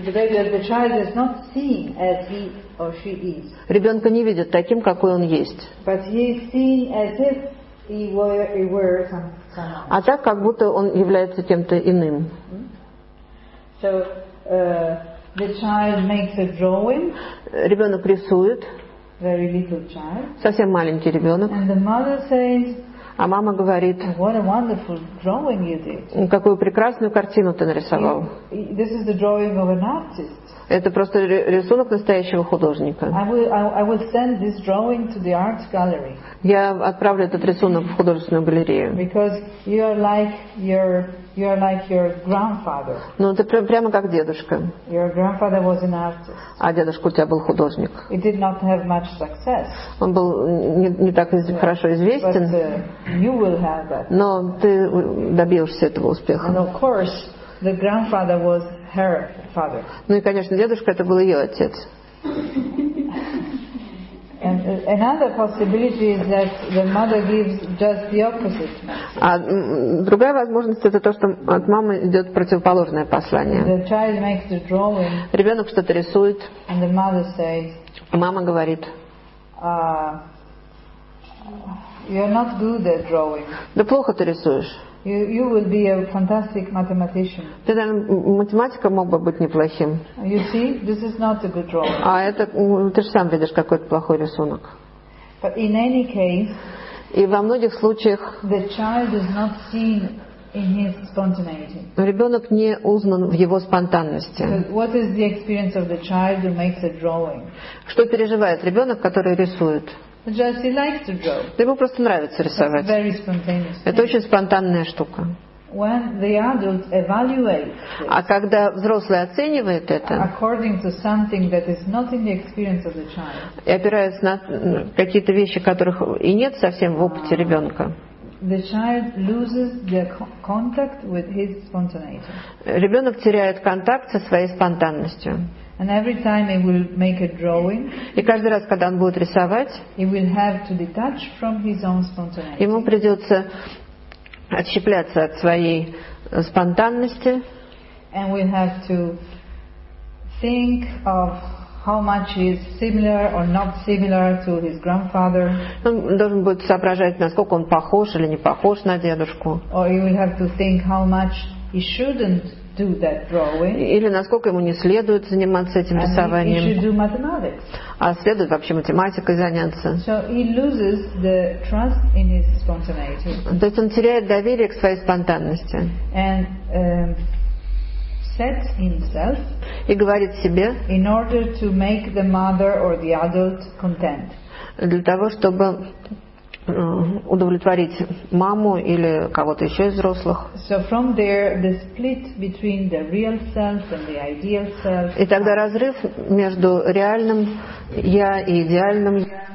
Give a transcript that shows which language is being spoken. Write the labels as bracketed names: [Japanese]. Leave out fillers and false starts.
[English] The baby, the child is not seen as he or she is. [Russian] Ребенка не видят таким, какой он есть. [English] But he is seen as if he were some. [Russian] А так, как будто он является кем-то иным. [English] So, the child makes a drawing. [Russian] Ребенок рисует. [English] Very little child. [Russian] Совсем маленький ребенок. [English] And the mother says, [Russian] а мама говорит, [English] what a wonderful drawing you did. [Russian] Какую прекрасную картину ты нарисовал. [English] This is the drawing of an artist. [Russian] Это просто рисунок настоящего художника. [English] I will send this drawing to the art gallery. [Russian] Я отправлю этот рисунок в художественную галерею. [English] Because you are like your grandfather. [Russian] Ну, ты прямо как дедушка. [English] Your grandfather was an artist. [Russian] А дедушка у тебя был художник. [English] He did not have much success. [Russian] Он был не так хорошо известен. [English] But, you will have that. [Russian] Но ты добьешься этого успеха. [English] And of course, the grandfather was her father. [Russian] Ну и, конечно, дедушка это был ее отец. [English] And another possibility is that the mother gives just the opposite message. [Russian] А другая возможность это то, что от мамы идет противоположное послание. [English] The child makes the drawing. [Russian] Ребенок что-то рисует. [English] And the mother says. [Russian] Мама говорит. [English] You're not good at drawing. [Russian] Да плохо ты рисуешь. [English] You will be a fantastic mathematician. [Russian] Ты, наверное, математиком мог бы быть неплохим. [English] You see, this is not a good drawing. [Russian] А это, ты же сам видишь, какой-то плохой рисунок. [English] But in any case, [Russian] и во многих случаях [English] the child is not seen in his spontaneity. [Russian] Ребенок не узнан в его спонтанности. [English] What is the experience of the child who makes a drawing? [Russian] Что переживает ребенок, который рисует? [English] Just he likes to draw. [Russian] Да ему просто нравится рисовать. [English] It's very spontaneous. [Russian] Это очень спонтанная штука. [English] When the adult evaluates. [Russian] А когда взрослый оценивает это, [English] according to something that is not in the experience of the child. [Russian] И опираясь на какие-то вещи, которых и нет совсем в опыте ребенка. [English] The child loses the contact with his spontaneity. [Russian] Ребенок теряет контакт со своей спонтанностью. [English] And every time he will make a drawing. [Russian] И каждый раз, когда он будет рисовать, [English] he will have to detach from his own spontaneity. [Russian] Ему придется отщепляться от своей спонтанности. [English] And we'll have to think of how much he is similar or not similar to his grandfather. [Russian] Он должен будет соображать, насколько он похож или не похож на дедушку. [English] Or he will have to think how much he shouldn't. [Russian] Или насколько ему не следует заниматься этим рисованием, а следует вообще математикой заняться. [English] So he loses the trust in his spontaneity. [Russian] То есть он теряет доверие к своей спонтанности. [English] And, sets himself [Russian] и говорит себе, [English] in order to make the mother or the adult content. [Russian] Для того, чтобы удовлетворить маму или кого-то еще из взрослых. [English] So from there, the split between the real self and the ideal self. [Russian] И тогда разрыв между реальным я и идеальным.